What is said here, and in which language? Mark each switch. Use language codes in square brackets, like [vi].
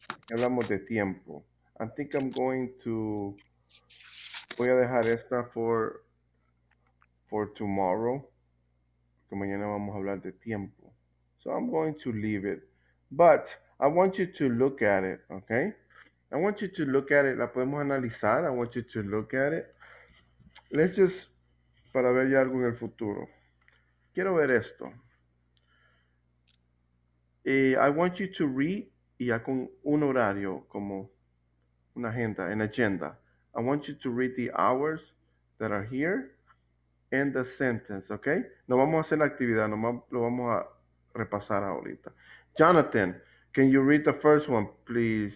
[es] Hablamos de tiempo. [en] I think I'm going to, [es] voy a dejar esta [en] for tomorrow. [es] Que mañana vamos a hablar de tiempo. [en] So I'm going to leave it. But I want you to look at it, okay? I want you to look at it. [es] La podemos analizar. [en] I want you to look at it. Let's just, [es] para ver ya algo en el futuro. Quiero ver esto. [en] I want you to read, [es] y ya con un horario, como una agenda, [en] an agenda. I want you to read the hours that are here. End the sentence, okay? [es] No vamos a hacer la actividad, no lo vamos a repasar ahorita. [en] Jonathan, can you read the first one, please?